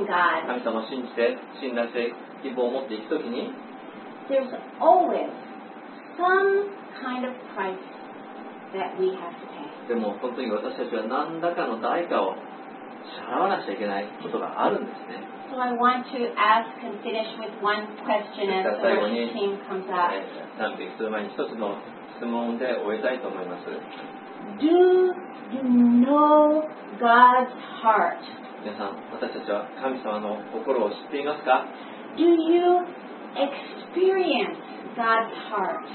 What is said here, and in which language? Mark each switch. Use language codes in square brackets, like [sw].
[en] God, [ja] 神様を信じて信頼して希望を持っていくときに、 [en] There's always some kind of price that we have to pay. [ja] でも本当に私たちは何らかの代価を支払わなくちゃいけないことがあるんですね。 [en] So I want to ask and finish with one question as the worship team comes up. [ja] 最後に、なんと言う前に一つの質問で終えたいと思います。 [en] Do you know God's heart? [ja] 皆さん、私たちは神様の心を知っていますか？ [en] Do you experience God's heart?